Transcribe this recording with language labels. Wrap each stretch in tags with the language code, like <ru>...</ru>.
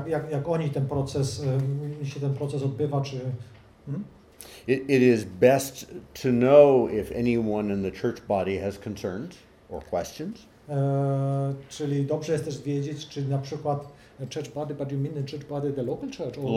<pl>Jak oni ten proces, się ten proces odbywa, czy...</pl> <en>It is best to know if anyone in the church body has concerns or questions.</en> <pl>Czyli dobrze jest też wiedzieć, czy na przykład</pl> <en>church body, but you mean the church body, the local church?</en>